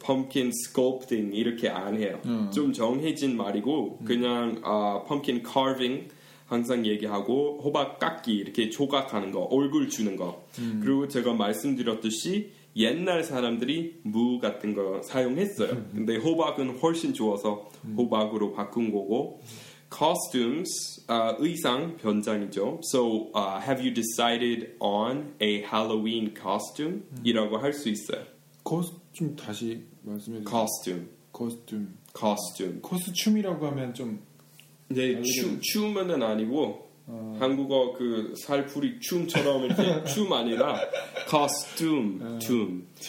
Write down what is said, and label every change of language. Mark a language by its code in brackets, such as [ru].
[ko] pumpkin sculpting 이렇게 안 해요. 좀 정해진 말이고 그냥 pumpkin carving 항상 얘기하고 호박 깎기 이렇게 조각하는 거 얼굴 주는 거 그리고 제가 말씀드렸듯이 옛날 사람들이 무 같은 거 사용했어요. 근데 호박은 훨씬 좋아서 호박으로 바꾼 거고 costumes 의상 변장이죠. [en] So have you decided on a Halloween costume? [ko] 이라고 할 수 있어요. costume 다시 말씀해 주세요. [en] costume [ko] 코스튬이라고 하면 좀 네, 춤은 아니고 한국어 그 살풀이 춤처럼 이렇게 춤 아니라 costume, 춤.